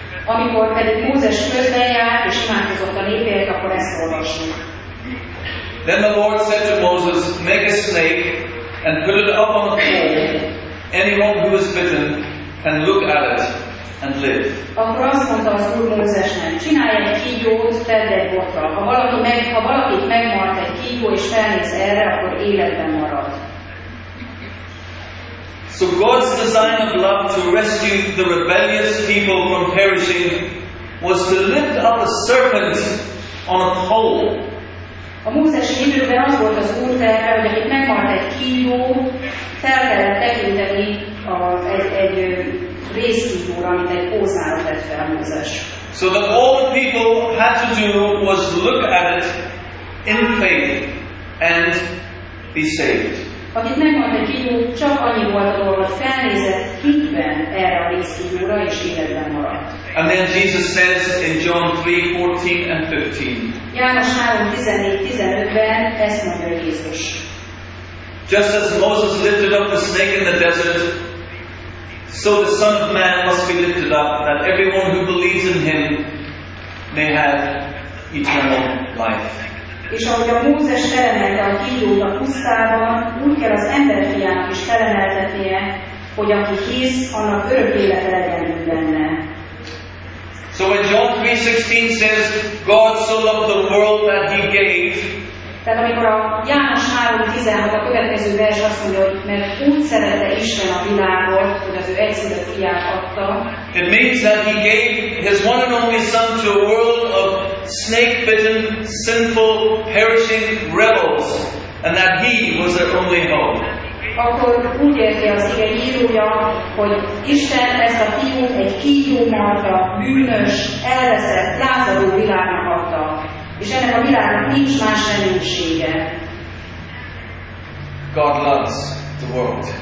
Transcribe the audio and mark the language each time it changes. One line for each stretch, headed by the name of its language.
Hungarian: Amikor pedig Mózes közben járt és imádkozott a népért, akkor ezt olvassuk.
English: Then the Lord said to Moses, make a snake and put it up on a pole. Anyone who is bitten can look at it and live.
Hungarian: Akkor azt mondta az Úr Mózesnek, csinálj egy kígyót, tedd egy botra. Ha valakit megmart egy kígyó és felnéz erre, akkor életben marad.
English: So God's design of love to rescue the rebellious people from perishing was to lift up a serpent on a pole.
Hungarian: A Mózes időben az volt az Úr terve, hogy akit megmart egy kígyó, fel kellett tekinteni az egy részkígyóra, amit egy pószára tett fel Mózes.
English: So that all the people had to do was look at it in faith and be saved.
Hungarian: Akit megmart egy kígyó, csak annyi volt a dolog, hogy felnézett hitben erre a részkígyóra, és életben maradt.
English: And then Jesus says in John 3:14 and 15.
Hungarian: János 3:14-15-ben ezt mondja Jézus.
English: Just as Moses lifted up the snake in the desert, so the Son of Man must be lifted up, that everyone who believes in him may have eternal life.
Hungarian: És ahogy a Mózes felemelte a kígyót a pusztában, úgy kell az ember fiának is felemeltetnie, hogy aki hisz, annak örök élete legyen benne.
English: So when John 3:16 says, God so loved the world that he gave.
Hungarian: Tehát amikor a János 3:16 a következő vers azt mondja, hogy mert úgy szerette Isten a világot, hogy az ő egyszülött fiát adta.
English: It means that he gave his one and only son to a world of snake-bitten, sinful, perishing rebels, and that he was their only hope.
Hungarian: Akkor úgy érti az ige írója, hogy Isten ezt a fiút egy kígyó marta, bűnös, elveszett, lázadó világnak adta. És ennek a világnak nincs más reménysége.
English: God loves the world.